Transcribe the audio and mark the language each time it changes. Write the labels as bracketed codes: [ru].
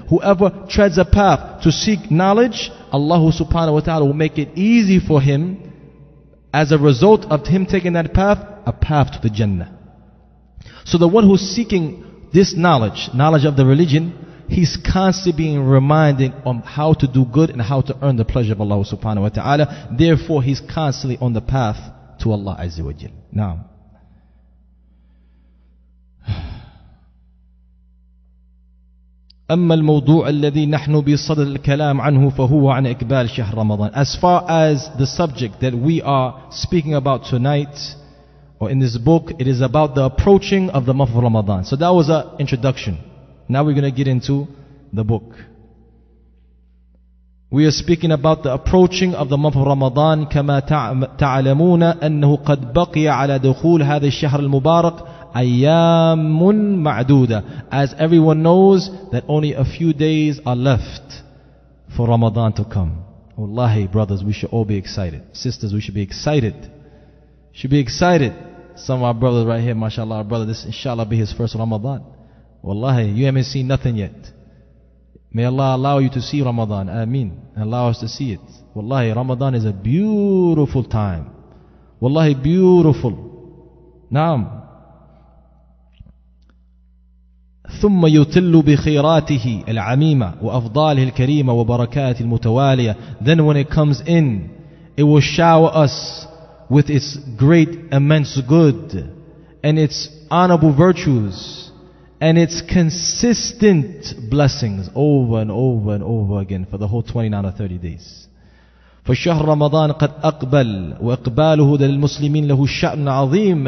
[en] Whoever treads a path to seek knowledge, Allah subhanahu wa ta'ala will make it easy for him, as a result of him taking that path, a path to the Jannah. So the one who's seeking this knowledge of the religion, he's constantly being reminded on how to do good and how to earn the pleasure of Allah subhanahu wa ta'ala. Therefore, he's constantly on the path to Allah azza wa jal. Now, [ar] أما الموضوع الذي نحن بصدد الكلام عنه فهو عن إقبال شهر رمضان. [en] As far as the subject that we are speaking about tonight, or in this book, it is about the approaching of the month of Ramadan. So that was an introduction. Now we're going to get into the book. We are speaking about the approaching of the month of Ramadan. [ar] كما تعلمون أنه قد بقي على دخول هذا الشهر المبارك أيام معدودة. [en] As everyone knows, that only a few days are left for Ramadan to come. Wallahi, brothers, we should all be excited. Sisters, we should be excited. Should be excited. Some of our brothers right here, mashallah, our brother, this inshallah be his first Ramadan. Wallahi, you haven't seen nothing yet. May Allah allow you to see Ramadan. Ameen. And allow us to see it. Wallahi, Ramadan is a beautiful time. Wallahi, beautiful. Naam. [ar] ثم يتل بخيراته العميمة وأفضاله الكريمة وبركاته المتوالية. [en] Then when it comes in, it will shower us with its great immense good and its honorable virtues and its consistent blessings over and over and over again for the whole 29 or 30 days. [ar] فشهر رمضان قد أقبل وإقباله للمسلمين له شأن عظيم.